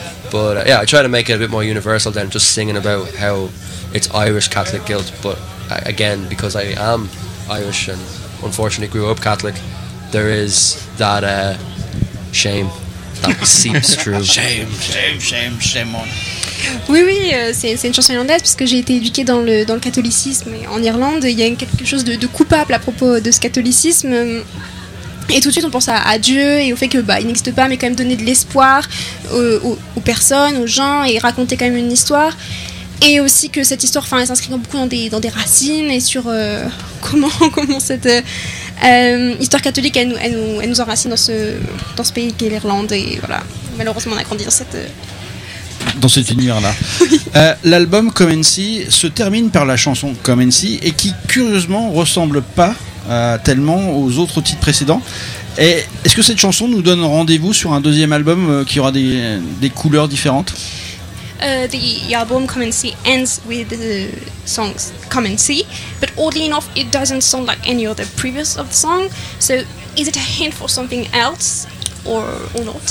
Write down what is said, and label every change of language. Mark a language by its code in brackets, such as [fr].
[en] But I try to make it a bit more universal than just singing about how it's Irish Catholic guilt. But again, because I am Irish and unfortunately grew up Catholic, there is that shame that seeps through. Shame on. [fr] Oui, c'est une chanson irlandaise parce que j'ai été éduquée dans le catholicisme et en Irlande. Il y a quelque chose de coupable à propos de ce catholicisme. Et tout de suite, on pense à Dieu et au fait que il n'existe pas, mais quand même donner de l'espoir aux personnes, aux gens, et raconter quand même une histoire. Et aussi que cette histoire, elle s'inscrit beaucoup dans des racines et sur comment cette histoire catholique elle nous enracine dans ce pays qui est l'Irlande. Et voilà, malheureusement, on a grandi dans cette dans cet univers-là. L'album Come and See se termine par la chanson Come and See, et qui curieusement ressemble pas tellement aux autres titres précédents. Et est-ce que cette chanson nous donne rendez-vous sur un deuxième album qui aura des couleurs différentes? [en] The album Come and See ends with the songs Come and See, but oddly enough, it doesn't sound like any other previous of the song. So is it a hint for something else or not?